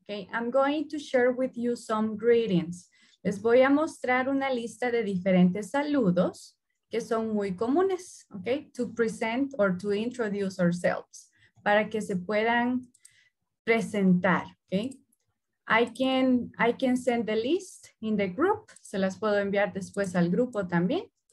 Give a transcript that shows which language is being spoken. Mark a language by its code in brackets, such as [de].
[en] Okay, I'm going to share with you some greetings. [es] Les voy a mostrar una lista de diferentes saludos que son muy comunes, okay, [en] to present or to introduce ourselves, [es] para que se puedan presentar, okay. [en] I can send the list in the group. [es] Se las puedo enviar después al grupo también.